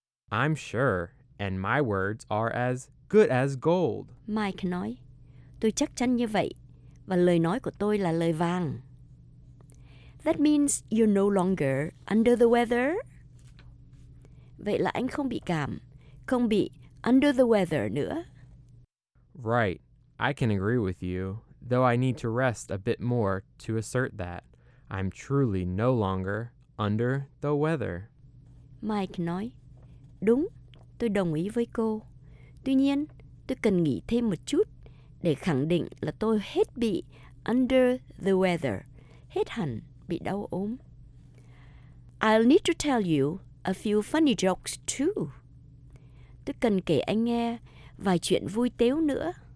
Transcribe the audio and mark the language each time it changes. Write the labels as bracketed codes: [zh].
[en] I'm sure, and my words are as good as gold. [vi] Mike nói, tôi chắc chắn như vậy, và lời nói của tôi là lời vàng. [en] That means you're no longer under the weather. [vi] Vậy là anh không bị cảm, không bị [en] under the weather [vi] nữa. [en] Right, I can agree with you, though I need to rest a bit more to assert that. I'm truly no longer under the weather. [vi] Mike nói, đúng, tôi đồng ý với cô. Tuy nhiên, tôi cần nghỉ thêm một chút để khẳng định là tôi hết bị [en] under the weather, [vi] hết hẳn bị đau ốm. [en] I'll need to tell you a few funny jokes too. [vi] Tôi cần kể anh nghe vài chuyện vui tếu nữa.